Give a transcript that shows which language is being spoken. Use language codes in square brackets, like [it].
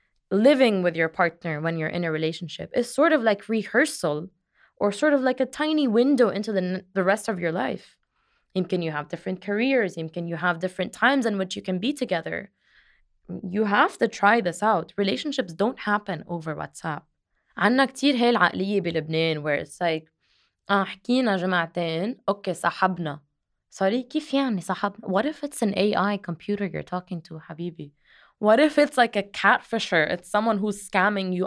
[en] Living with your partner when you're in a relationship is sort of like rehearsal or sort of like a tiny window into the rest of your life. [ar] يمكن [en] you have different careers, يمكن you have different times in which you can be together. You have to try this out. Relationships don't happen over WhatsApp. [ar] عنا كتير هاي العقلية بلبنان [en] where it's like, [ar] حكينا جمعتين, اوكي صحبنا. [en] Sorry, [ar] كيف يعني صحبنا? [en] What if it's an AI computer you're talking to, [ar] حبيبي? [en] What if it's like a catfisher? It's someone who's scamming you.